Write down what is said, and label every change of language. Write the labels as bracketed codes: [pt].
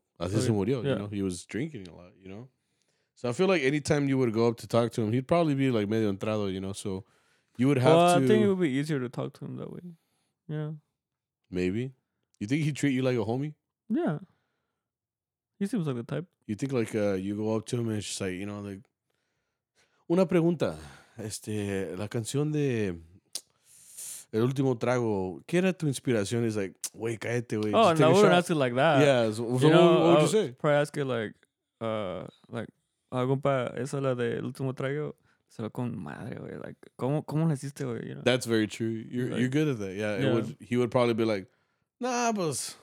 [en] He was drinking a lot, you know? So I feel like anytime you would go up to talk to him, he'd probably be like [es] medio entrado, [en] you know? So you would have I think it would be easier to talk to him that way. Yeah. Maybe. You think he'd treat you like a homie? Yeah. He seems like the type. You think like you go up to him and it's just like, you know, like, [es] una pregunta. La canción de El Último Trago, ¿qué era tu inspiración? [en] He's like, [es] wey, cállate, wey. [en] Oh, no, I wouldn't ask it like that. Yeah, so you know, what would you say? [es] Probably ask it like, compa, esa la de El Último Trago, se lo con madre, wey. [en] Like, [es] ¿cómo la hiciste, wey? [en] You know? That's very true. You're good at that. Yeah, yeah. He would probably be like, nah, [es] pues.